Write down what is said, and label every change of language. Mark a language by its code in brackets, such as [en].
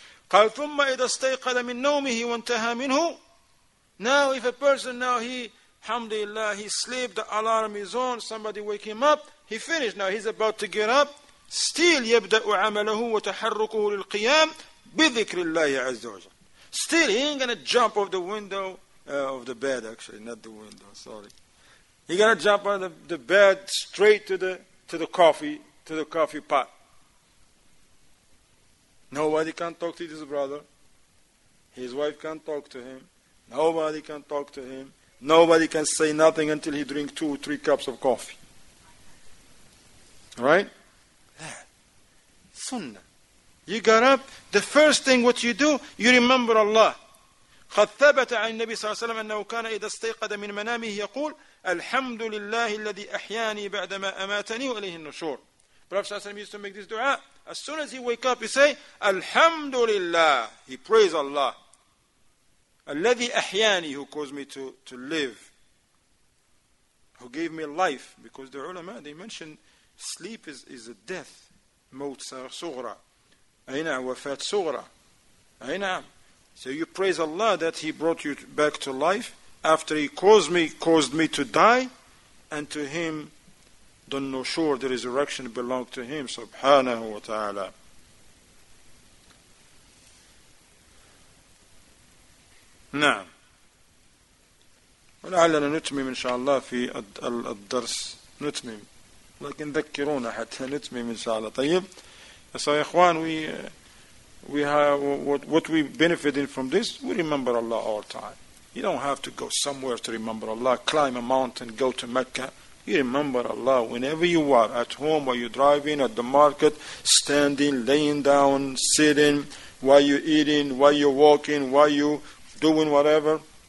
[ar] قال ثم إذا استيقظ من نومه وانتهى منه. [en] Now if a person, now he, alhamdulillah, he sleep, the alarm is on, somebody wake him up, he finished, now he's about to get up, still [ar] يبدأ عمله وتحركه للقيام بذكر الله عز وجل. [en] Still he ain't gonna jump off the window, of the bed actually, not the window, sorry. He gonna jump out of the bed straight to the coffee pot. Nobody can talk to this brother. His wife can talk to him. Nobody can talk to him. Nobody can say nothing until he drinks 2 or 3 cups of coffee. Right? Sunnah. You got up, the first thing what you do, you remember Allah. [ar] قد ثبت عن النبي صلى الله عليه وسلم أنه كان إذا استيقظ من منامه يقول الحمد لله الذي أحياني بعدما أماتني وإليه النشور. [en] Prophet [ar] صلى الله عليه وسلم [en] used to make this dua. As soon as he wake up, he say [ar] الحمد لله. [en] He praise Allah. [ar] الذي أحياني, [en] who caused me to live, who gave me life. Because the ulama, they mentioned sleep is a death. [ar] موت صغرى. أين وفاة صغرى. أين عم. [en] So you praise Allah that he brought you back to life after he caused me to die, and to him the nushur, the resurrection belonged to him, subhanahu wa ta'ala. [ar] نعم. ولعلنا نتمم إن شاء الله في الدرس نتمم لكن ذكرونا حتى نتمم إن شاء الله. طيب. [en] So إخوان we have what we benefited from this, we remember Allah all the time. You don't have to go somewhere to remember Allah, climb a mountain, go to Mecca. You remember Allah whenever you are at home, while you're driving, at the market, standing, laying down, sitting, while you're eating, while you're walking, while you're doing whatever.